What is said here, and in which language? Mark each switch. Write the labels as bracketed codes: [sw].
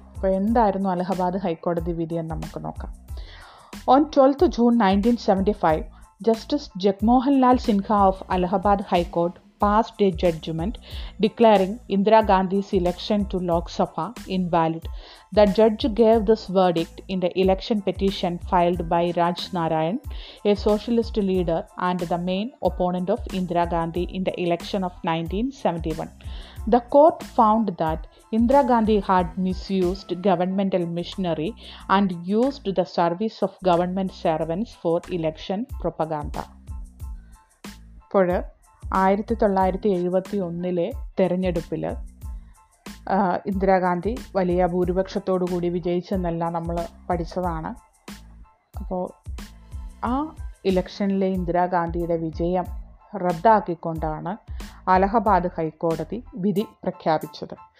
[ml] അപ്പോൾ എന്തായിരുന്നു അലഹബാദ് ഹൈക്കോടതി വിധി എന്ന് നമുക്ക് നോക്കാം. [en] On 12th June 1975, justice Jagmohanlal Sinha of Allahabad high court passed a judgment declaring Indira Gandhi's election to Lok Sabha invalid. The judge gave this verdict in the election petition filed by Raj Narayan, a socialist leader and the main opponent of Indira Gandhi in the election of 1971. The court found that Indira Gandhi had misused governmental machinery and used the service of government servants for election propaganda. [ml] For 1971 തെരഞ്ഞെടുപ്പിൽ ഇന്ദിരാഗാന്ധി വലിയ ഭൂരിപക്ഷത്തോടുകൂടി വിജയിച്ചെന്നെല്ലാം നമ്മൾ പഠിച്ചതാണ്. അപ്പോൾ ആ ഇലക്ഷനിലെ ഇന്ദിരാഗാന്ധിയുടെ വിജയം റദ്ദാക്കിക്കൊണ്ടാണ് അലഹബാദ് ഹൈക്കോടതി വിധി പ്രഖ്യാപിച്ചത്.